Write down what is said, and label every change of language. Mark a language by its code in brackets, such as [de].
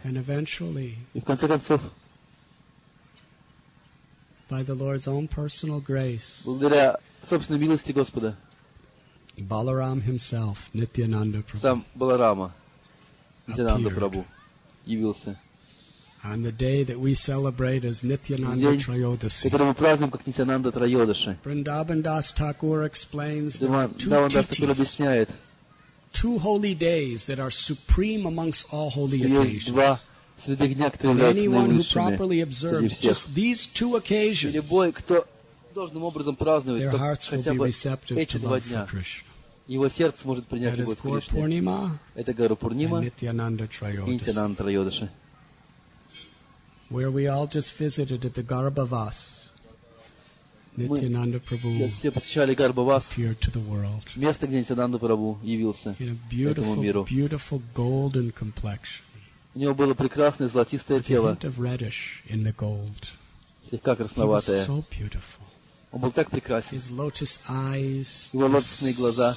[en] And eventually, [ru] и в конце концов, [en] by the Lord's own personal grace, [ru] благодаря собственной милости Господа, [en] Balaram himself, Nityananda Prabhu, [ru] сам Баларама, Нитьянанда Прабху, явился. [en] On the day that we celebrate as Nityananda Trayodashi, [ru] который мы празднуем как Нитьянанда Трайодаши, [en] Vrindavan Das Thakur explains that two holy days that are supreme amongst all holy occasions. Anyone who properly observes just these two occasions, [ru] любой, кто должным образом празднует, [en] their hearts will be receptive to love for Krishna. [ru] Его сердце может принять любовь к Кришне. Это гора Пурнима и Нитьянанда Трайодаши. [en] Where we all just visited at the Garbhavas, Nityananda Prabhu appeared to the world. [ru] Место, где Нитьянанда Прабху явился этому миру. [en] Beautiful golden complexion. [ru] У него было прекрасное золотистое тело, слегка красноватое. [en] So [ru] он был так прекрасен. [en] Lotus eyes, [ru] его лотосные глаза,